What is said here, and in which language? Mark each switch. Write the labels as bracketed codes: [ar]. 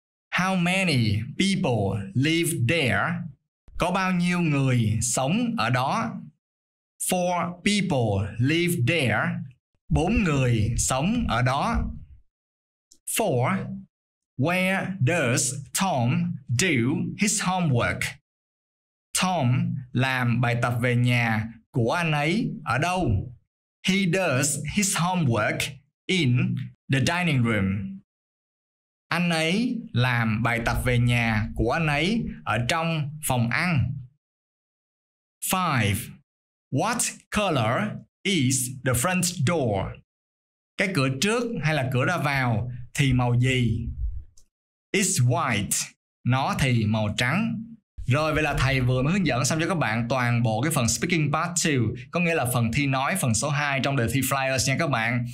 [en] How many people live there? [vi] Có bao nhiêu người sống ở đó? [en] 4 people live there. [vi] 4 người sống ở đó. 4. [en] Where does Tom do his homework? [vi] Tom làm bài tập về nhà của anh ấy ở đâu? [en] He does his homework in the dining room. [vi] Anh ấy làm bài tập về nhà của anh ấy ở trong phòng ăn. 5. [en] What color is the front door? [vi] Cái cửa trước hay là cửa ra vào thì màu gì? [en] It's white. [vi] Nó thì màu trắng. Rồi vậy là thầy vừa mới hướng dẫn xong cho các bạn toàn bộ cái phần speaking part 2, có nghĩa là phần thi nói phần số 2 trong đề thi Flyers nha các bạn.